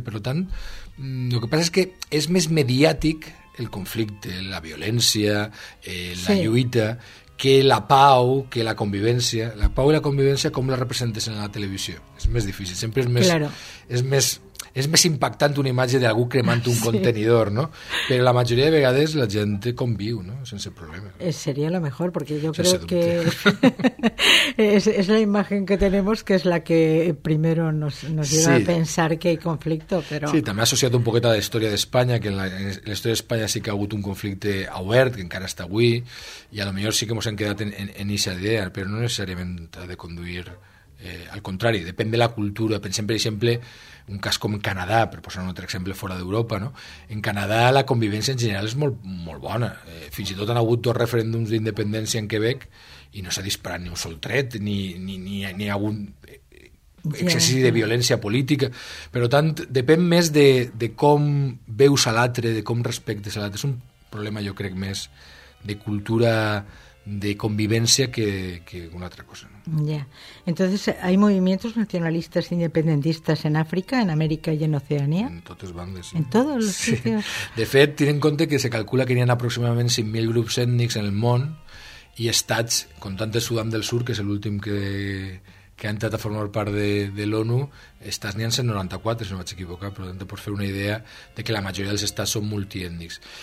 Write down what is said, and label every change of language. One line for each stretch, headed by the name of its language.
Catalan: Per tant, el que passa és que és més mediàtic el conflicte, la violència, la lluita, que la pau, que la convivència. La pau i la convivència, com la representes en la televisió? És més difícil, sempre és més... Claro. És més impactant una imatge d'algú cremant un contenidor, no? Però la majoria de vegades la gent conviu, no? Sense problemes.
Spanish: Seria lo mejor, porque yo creo que es la imagen que tenemos que es la que primero nos lleva a pensar que hay conflicto, pero...
Catalan: Sí, també ha associat un poquet a la història d'Espanya, que en la història d'Espanya sí que ha hagut un conflicte obert, que encara està avui, i a lo millor sí que ens hem quedat en aquesta idea, però no necessàriament ha de conduir Al contrari, depèn de la cultura. Pensem, per exemple, un cas com Canadà, per posar un altre exemple fora d'Europa, no? En Canadà la convivència en general és molt, molt bona. Fins i tot han hagut dos referèndums d'independència en Quebec i no s'ha disparat ni un sol tret, ni algun exercici de violència política. Per tant, depèn més de com veus a l'altre, de com respectes a l'altre. És un problema, jo crec, més de cultura, de convivència que una altra cosa.
Spanish: Ya. Yeah. Entonces, ¿hay movimientos nacionalistas independentistas en África, en América y en Oceanía?
Catalan: En totes bandes.
Spanish: En todos los sitios. Sí.
Catalan: De fet, tenen en compte que se calcula que hi ha aproximadament 5.000 grups ètnics en el món i estats, comptant Sudan del Sur, que és l'últim que ha entrat a formar part de l'ONU, estats n'hi ha 194, si no vaig equivocar, però tant, pots fer una idea de que la majoria dels estats són multiètnics.